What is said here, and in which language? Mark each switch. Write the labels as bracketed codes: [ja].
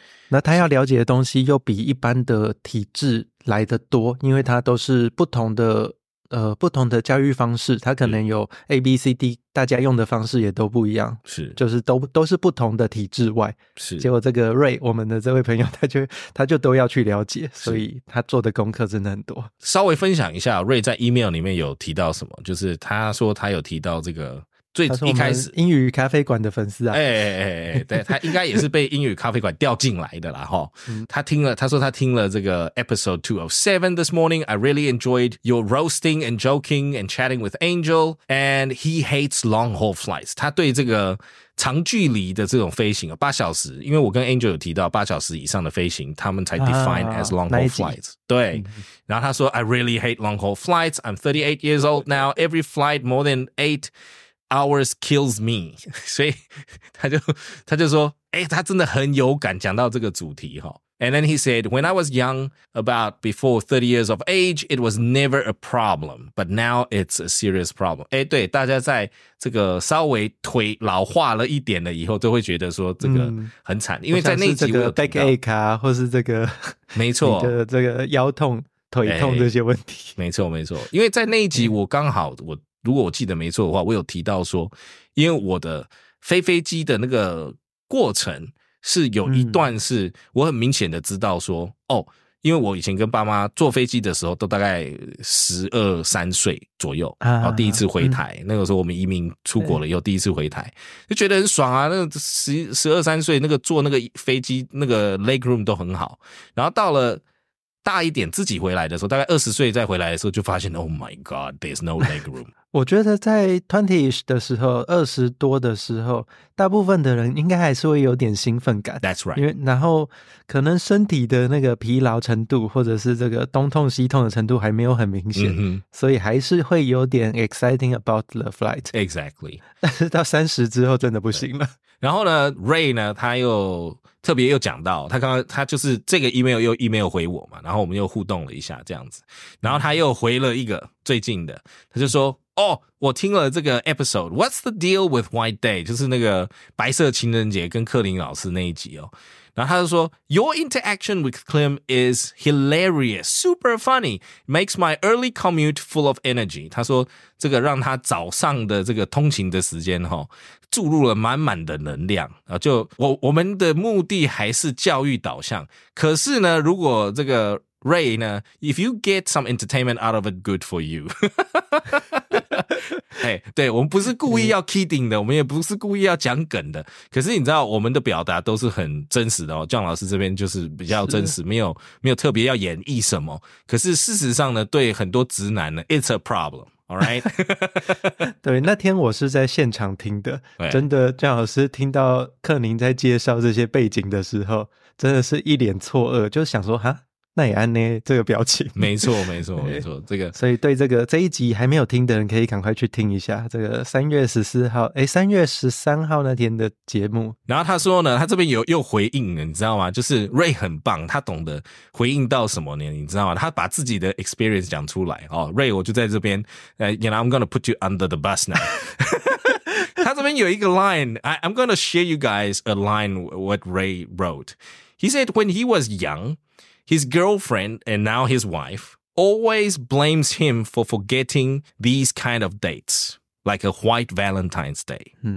[zh] 那他要了解的东西又比一般的体制来的多，因为他都是不同的不同的教育方式，他可能有 ABCD， 大家用的方式也都不一样，是，就是都是不同的体制外，是，结果这个 Ray 我们的这位朋友他就都要去了解，所以他做的功课真的很多，稍微分享一下 Ray 在 email 里面有提到什么，就是他说他有提到这个最一开始英语咖啡馆的粉丝啊，对，他应该也是被英语咖啡馆调进来的啦齁，他听了，他说他听了这个 episode 207 [en] this morning， I really enjoyed your roasting and joking and chatting with Angel， and he hates long haul flights， [zh] 他对这个长距离的这种飞行八小时，因为我跟 Angel 有提到八小时以上的飞行他们才 [en] define as long haul flights， [zh] 对，然后他说 [en] I really hate long haul flights， I'm 38 years old now， every flight more than 8hours kills me， [zh] 所以他就说他真的很有感讲到这个主题哈。 [en] And then he said, when I was young, about before 30 years of age, it was never a problem, but now it's a serious problem. [zh] 对，大家在这个稍微腿老化了一点了以后，都会觉得说这个很惨，因为在那集我有听到。我想是这个 backache 啊，或是这个，没错，你的这个腰痛、腿痛这些问题。没错，没错，因为在那一集我刚好我。如果我记得没错的话，我有提到说，因为我的飞飞机的那个过程是有一段是我很明显的知道说，因为我以前跟爸妈坐飞机的时候都大概12、13岁左右、啊、然后第一次回台、嗯、那个时候我们移民出国了以后第一次回台就觉得很爽啊，那12、13岁那个坐那个飞机那个 leg room 都很好，然后到了大一点自己回来的时候大概20岁再回来的时候就发现 [en] Oh my god there's no leg room [zh] 我觉得在 20ish 的时候20多的时候大部分的人应该还是会有点兴奋感 [en] That's right [zh] 因为然后可能身体的那个疲劳程度或者是这个东痛西痛的程度还没有很明显、 mm-hmm. 所以还是会有点 [en] exciting about the flight Exactly [zh] 但是到30之后真的不行了然后呢 Ray 呢他又特别又讲到他刚刚他就是这个 email 又 email 回我嘛然后我们又互动了一下这样子然后他又回了一个最近的他就说哦我听了这个 episode [en] What's the deal with White Day [zh] 就是那个白色情人节跟克林老师那一集哦然后他就说 [en] Your interaction with Clem is hilarious super funny makes my early commute full of energy [zh] 他说这个让他早上的这个通勤的时间哦注入了满满的能量啊！就我们的目的还是教育导向，可是呢，如果这个 Ray 呢 ， [en] If you get some entertainment out of it, good for you 。 [zh] 哎，对我们不是故意要 kidding 的，我们也不是故意要讲梗的。可是你知道，我们的表达都是很真实的哦。John老师这边就是比较真实，没有特别要演绎什么。可是事实上呢，对很多直男呢 ， [en] It's a problem。 All right， [zh] 对，那天我是在现场听的，真的，姜老师听到克宁在介绍这些背景的时候，真的是一脸错愕，就想说哈，那也安呢这个表情，没错，没错，没错，这个，所以对这个这一集还没有听的人，可以赶快去听一下这个3月14号，哎，3月13号那天的节目。然后他说呢，他这边又回应了，你知道吗？就是 Ray 很棒，他懂得回应到什么呢？你知道吗？他把自己的 experience 讲出来哦 ，Ray， 我就在这边， [en] you know I'm gonna put you under the bus now 。 [zh] 他这边有一个 [en] line， I'm gonna share you guys a line what Ray wrote。 He said when he was young。 His girlfriend, and now his wife, always blames him for forgetting these kind of dates, like a white Valentine's Day.